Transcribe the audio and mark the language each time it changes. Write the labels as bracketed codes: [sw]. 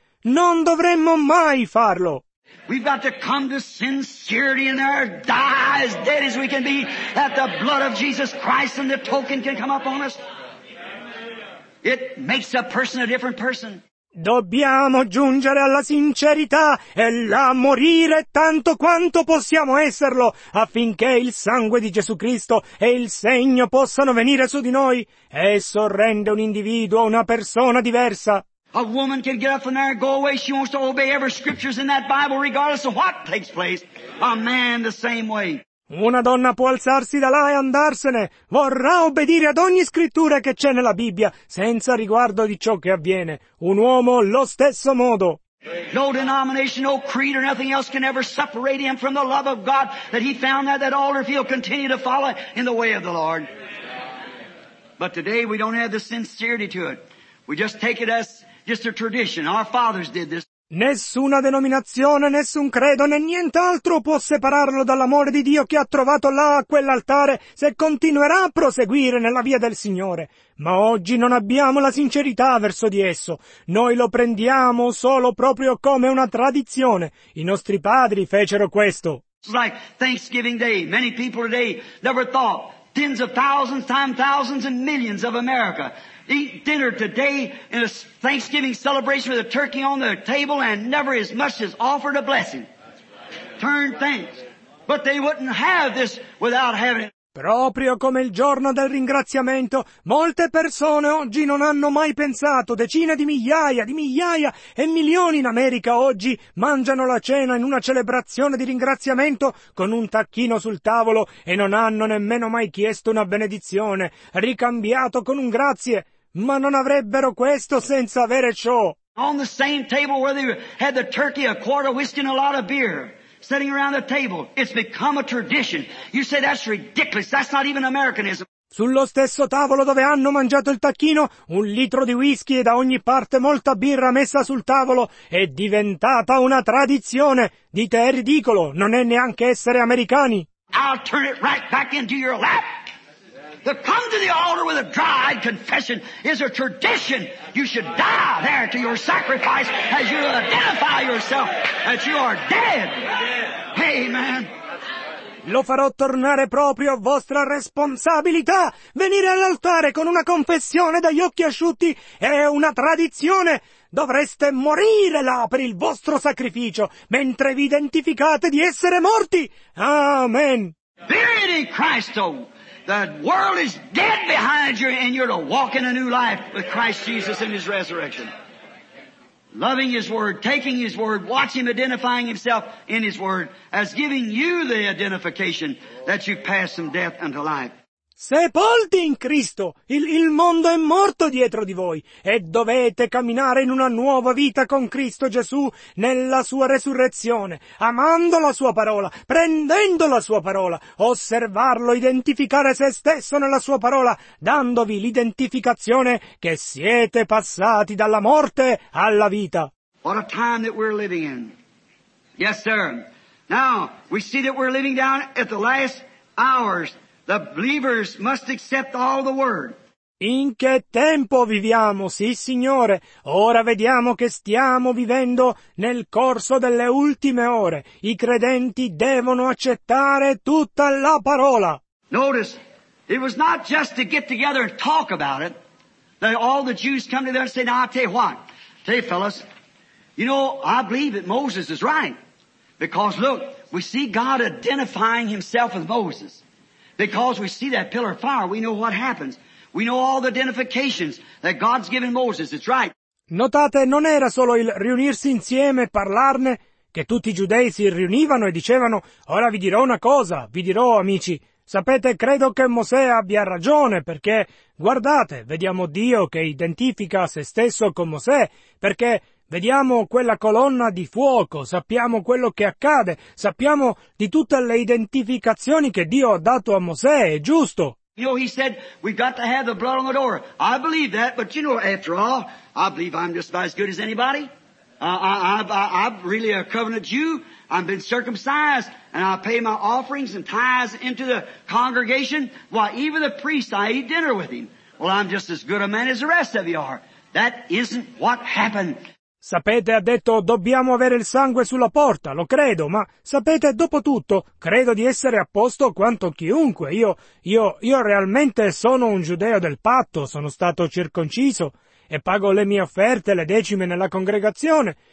[it] Non dovremmo mai farlo. [en] We've got to come to sincerity in there, die as dead as we can be, that the blood of Jesus Christ and the token can come up on us. It makes a person a different person. [it] Dobbiamo giungere alla sincerità e la morire tanto quanto possiamo esserlo, affinché il sangue di Gesù Cristo e il segno possano venire su di noi. Esso rende un individuo una persona diversa. [en] A woman can get up from there and go away. She wants to obey every scriptures in that Bible regardless of what takes place. A man the same way. [it] Una donna può alzarsi da là e andarsene. Vorrà obbedire ad ogni scrittura che c'è nella Bibbia, senza riguardo di ciò che avviene. Un uomo lo stesso modo. [en] No denomination, no creed or nothing else can ever separate him from the love of God that he found there, that altar, if he'll continue to follow in the way of the Lord. But today we don't have the sincerity to it. We just take it as just a tradition. Our fathers did this. [it] Nessuna denominazione, nessun credo, né nient'altro può separarlo dall'amore di Dio che ha trovato là a quell'altare se continuerà a proseguire nella via del Signore. Ma oggi non abbiamo la sincerità verso di esso. Noi lo prendiamo solo proprio come una tradizione. I nostri padri fecero questo. [en] It's like Thanksgiving Day. Many people today never thought. Tens of thousands, times thousands and millions of America eat dinner today in a Thanksgiving celebration with a turkey on the table and never as much as offered a blessing. Turn thanks. But they wouldn't have this without having it. [it] Proprio come il giorno del ringraziamento, molte persone oggi non hanno mai pensato, decine di migliaia e milioni in America oggi mangiano la cena in una celebrazione di ringraziamento con un tacchino sul tavolo e non hanno nemmeno mai chiesto una benedizione, ricambiato con un grazie, ma non avrebbero questo senza avere ciò. [en] On the same table where they had the turkey, a quart of whiskey and a lot of beer. Sitting around the table, it's become a tradition. You say that's ridiculous, that's not even Americanism. [it] Sullo stesso tavolo dove hanno mangiato il tacchino, un litro di whisky e da ogni parte molta birra messa sul tavolo, è diventata una tradizione. Dite, è ridicolo, non è neanche essere americani. [en] I'll turn it right back into your lap. To come to the altar with a dry confession is a tradition. You should die there to your sacrifice as you identify yourself that you are dead. Amen. [it] Lo farò tornare proprio a vostra responsabilità. Venire all'altare con una confessione dagli occhi asciutti è una tradizione. Dovreste morire là per il vostro sacrificio mentre vi identificate di essere morti. Amen. [en] Buried in Christ, oh. The world is dead behind you and you're to walk in a new life with Christ Jesus in His resurrection. Loving His Word, taking His Word, watching Him identifying Himself in His Word as giving you the identification that you pass from death unto life. [it] sepolti in Cristo, il mondo è morto dietro di voi e dovete camminare in una nuova vita con Cristo Gesù nella sua resurrezione, amando la sua parola, prendendo la sua parola, osservarlo, identificare se stesso nella sua parola, dandovi l'identificazione che siete passati dalla morte alla vita. [en] What a time that we're living in. Yes, sir. Now, we see that we're living down at the last hours. The believers must accept all the word. [it] In che tempo viviamo, sì signore? Ora vediamo che stiamo vivendo nel corso delle ultime ore. I credenti devono accettare tutta la parola. [en] Notice, it was not just to get together and talk about it. That all the Jews come to there and say, now I'll tell you what. Tell you fellas, you know, I believe that Moses is right. Because look, we see God identifying himself with Moses. Because we see that pillar of fire, we know what happens. We know all the identifications that God's given Moses. It's right. [it] Notate, non era solo il riunirsi insieme e parlarne, che tutti i giudei si riunivano e dicevano, ora vi dirò una cosa, vi dirò, amici. Sapete, credo che Mosè abbia ragione, perché, guardate, vediamo Dio che identifica se stesso con Mosè, perché vediamo quella colonna di fuoco, sappiamo quello che accade, sappiamo di tutte le identificazioni che Dio ha dato a Mosè, è giusto? [en] You know, he said, we've got to have the blood on the door. I believe that, but you know, after all, I believe I'm just about as good as anybody. I'm really a covenant Jew. I've been circumcised, and I pay my offerings and tithes into the congregation. Why, even the priest, I eat dinner with him. Well, I'm just as good a man as the rest of you are. That isn't what happened. [it] Sapete, ha detto, dobbiamo avere il sangue sulla porta, lo credo, ma sapete, dopo tutto, credo di essere a posto quanto chiunque. Io realmente sono un giudeo del patto, sono stato circonciso e pago le mie offerte, le decime nella congregazione.